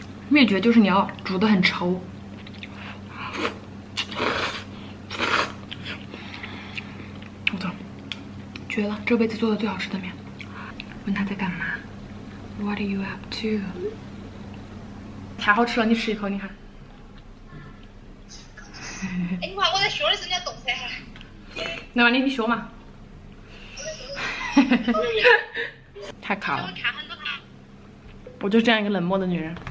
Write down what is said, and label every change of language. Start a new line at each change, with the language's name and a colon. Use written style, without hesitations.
Chinese: 秘诀就是你要煮得很稠，绝了，这辈子做的最好吃的面。问他在干嘛 ？
English: What are you up to？
Chinese: 太好吃了，你吃一口，你看。哎，你看我在学的时候，你懂噻。那完了，你学嘛。太卡了。我就这样一个冷漠的女人。